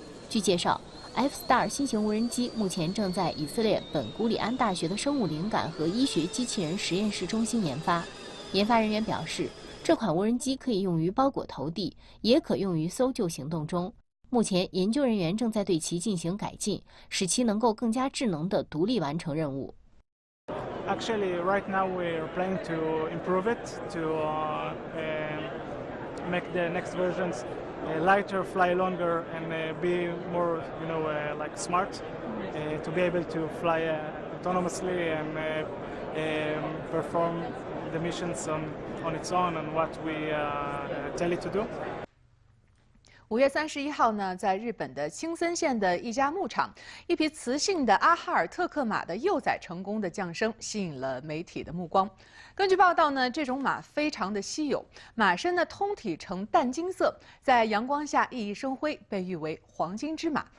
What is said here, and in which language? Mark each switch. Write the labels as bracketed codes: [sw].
[zh] 据介绍， F-Star 新型无人机目前正在以色列本古里安大学的生物灵感和医学机器人实验室中心研发。研发人员表示，这款无人机可以用于包裹投递，也可用于搜救行动中。目前研究人员正在对其进行改进，使其能够更加智能地独立完成任务。 [en] Actually, right now we are planning to improve it to make the next versions lighter, fly longer, and be more, you know, like smart, to be able to fly autonomously and perform the missions on its own and what we tell it to do. [zh] 5月31号呢，在日本的青森县的一家牧场，一匹雌性的阿哈尔特克马的幼崽成功的降生，吸引了媒体的目光。根据报道呢，这种马非常的稀有，马身呢通体呈淡金色，在阳光下熠熠生辉，被誉为黄金之马。